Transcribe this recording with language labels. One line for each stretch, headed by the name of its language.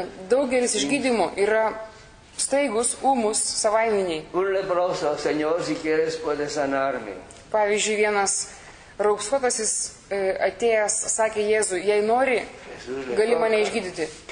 Lithuanian: Daugelis išgydymų yra staigus, ūmus, savaiminiai.
Spanish: Un leproso, señor, si quieres, puede sanarme.
Lithuanian: Pavyzdžiui, vienas raupsuotasis atėjęs sakė Jėzų, jei nori, gali mane išgydyti.